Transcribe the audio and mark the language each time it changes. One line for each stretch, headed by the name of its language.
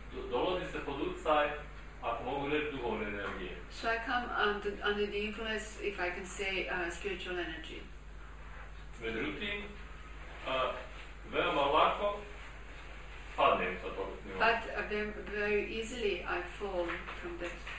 Croatian: Dolazi se pod utjecaj, ako mogu reći, duhovne energije.
English: So I come under the influence, if I can say, spiritual energy.
Croatian: Međutim, veoma lako padnem sa tog nivoa.
English: But very easily I fall from that.